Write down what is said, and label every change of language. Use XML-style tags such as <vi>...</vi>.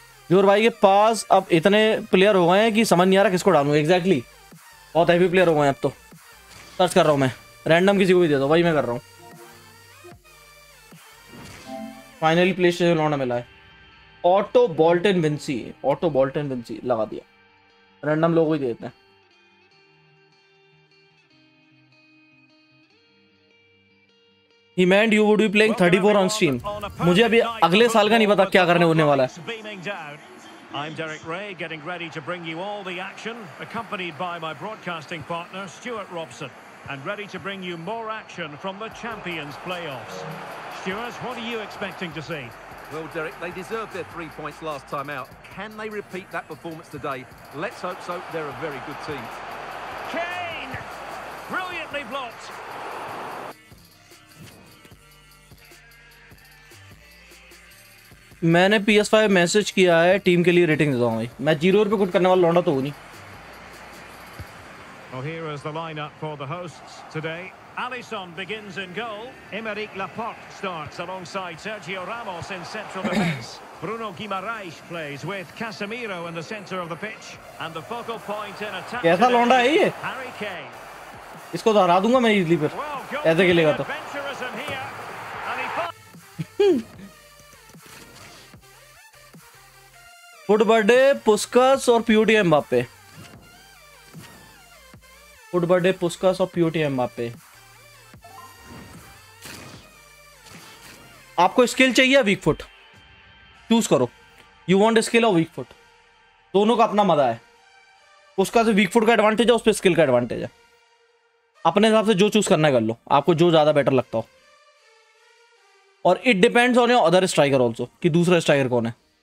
<hi>जोर भाई के पास अब इतने प्लेयर हो गए हैं कि समझ नहीं आ रहा किसको डालूं एग्जैक्टली बहुत हैवी प्लेयर हो गए हैं अब तो सर्च कर रहा हूं मैं रैंडम किसी को भी दे दो भाई मैं कर रहा हूं फाइनली प्ले से लौंडा मिला है auto Bolton Vinci auto Bolton Vinci लगा दिया रैंडम लोगों ही देते हैं</hi> <en>He meant you would be playing 34 on stream.</en> <hi>मुझे अभी अगले साल का नहीं पता क्या करने होने वाला है।</hi> <en>I'm Derek Ray, getting ready to bring you all the action, accompanied by my broadcasting partner Stuart Robson, and ready to bring you more action from the Champions Playoffs. Stuart, what are you expecting to see? Well, Derek, they deserved their 3 points last time out. Can they repeat that performance today? Let's hope so. They're a very good team. Kane, brilliantly blocked.</en> <hi>मैंने PS5 message किया है team के लिए rating देता हूँ भाई मैं 0 रुपये कुट करने वाला लौंडा तो हूँ नहीं</hi> <en>Well, here is the lineup for the hosts today. Alisson begins in goal. Emerick Laporte starts alongside Sergio Ramos in central defense. Bruno Guimaraes plays with Casemiro in the center of the pitch. And the focal point in attack.</en> <hi>कैसा लौंडा है ये? Harry Kane. इसको तो हरा दूंगा मैं easily पर. ऐसे खेलेगा तो. फुट बर्थडे पुस्कस और पीओटी एम्बापे फुट बर्थडे पुस्कस और पीओटी एम्बापे आपको स्किल चाहिए वीक फुट चूज करो</hi> <en>you want skill</en> <hi>और वीक फुट दोनों का अपना मजा है पुस्कस से वीक फुट का एडवांटेज है उस पर स्किल का एडवांटेज है अपने हिसाब से जो चूज करना है कर लो आपको जो ज्यादा बेटर लगता हो और</hi> <en>it depends on your other striker also</en> <hi>कि दूसरा स्ट्राइकर कौन है</hi>